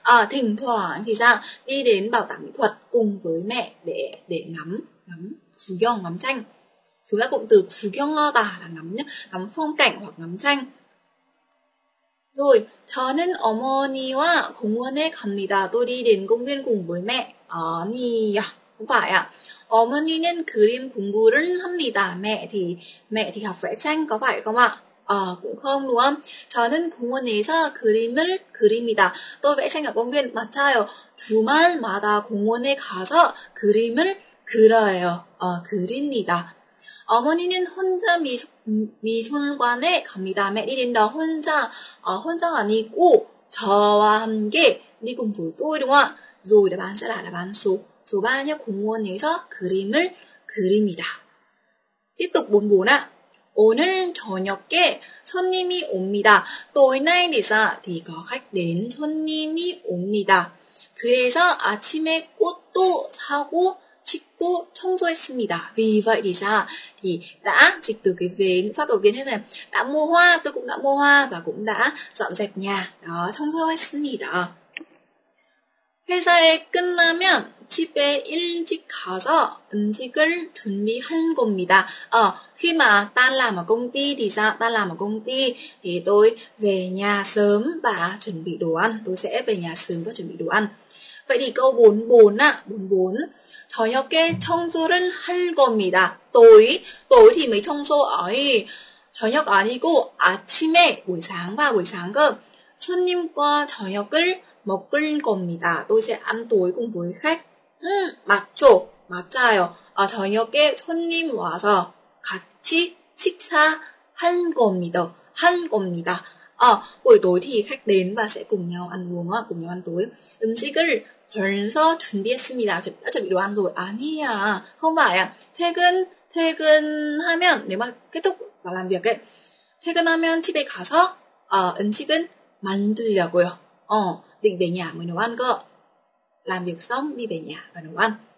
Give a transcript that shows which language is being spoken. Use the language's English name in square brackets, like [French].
[Vietnamese] Thỉnh thoảng thì sao, đi đến bảo tàng mỹ thuật cùng với mẹ để ngắm ngắm Fuyong, ngắm tranh. Chúng ta cụm từ Fuyong ta là ngắm nhé, ngắm phong cảnh hoặc ngắm tranh. [Korean] Rồi, 저는 어머니와 공원에 갑니다. [Vietnamese] Tôi đi đến công viên cùng với mẹ. [Korean] 아니야, [Vietnamese] không phải ạ. [Korean] 어머니는 그림 공부를 합니다. [Vietnamese] Mẹ thì học vẽ tranh, có phải không ạ? Cũng không đúng không? [Korean] 저는 공원에서 그림을 그립니다. [Vietnamese] Tôi vẽ tranh ở công viên. 맞아요. [Korean] 주말마다 공원에 가서 그림을 그려요. 그립니다. 어머니는 혼자 미술관에 갑니다. 매일 đến đó 혼자 아니고 저와 함께 đi cùng với tôi đúng không ạ? [Vietnamese] Rồi đáp án sẽ là đáp án số số 3 nhé. [Korean] 공원에서 그림을 그립니다. [Vietnamese] Tiếp tục 44 ạ. [Korean] 오늘 저녁에 손님이 옵니다. [Vietnamese] Tối nay thì có khách đến, [Korean] 손님이 옵니다. 그래서 아침에 꽃도 사고 씻고 청소했습니다. [Vietnamese] Vì vậy thì sao? Thì đã dịch từ cái vế ngữ pháp đầu tiên thế này. Đã mua hoa, tôi cũng đã mua hoa và cũng đã dọn dẹp nhà. [Korean] Đó, 청소했습니다. 회사에 끝나면 집에 일찍 가서 음식을 준비한 겁니다. [Vietnamese] Khi mà tan làm ở công ty thì sao? Tan làm ở công ty thì tôi về nhà sớm và chuẩn bị đồ ăn. Tôi sẽ về nhà sớm và chuẩn bị đồ ăn. Vậy thì câu 44 ạ, 44. [Korean] 저녁에 청소를 할 겁니다. [Vietnamese] Tối thì mới청소 ấy. [Korean] 저녁 아니고 아침에, [Vietnamese] buổi sáng và buổi sáng cơ. [Korean] 손님과 저녁을 먹을 겁니다. [Vietnamese] Tôi sẽ ăn tối cùng với khách. [Korean] 맞죠? 맞아요. 저녁에 손님 와서 같이 식사할 겁니다. 할 겁니다. [Vietnamese] Buổi tối thì khách đến và sẽ cùng nhau ăn uống, cùng nhau ăn tối. [Korean] 음식을 벌써 준비했습니다. 다 준비 완료. [Vietnamese] 아니야, không phải 아. [Korean] 퇴근하면, 내가 계속 말한 [Vietnamese] việc ấy. [Korean] 퇴근하면 집에 가서 음식은 만들려고요. [Vietnamese] Định về nhà mới nấu ăn cơ. Làm việc xong đi về nhà và nấu ăn.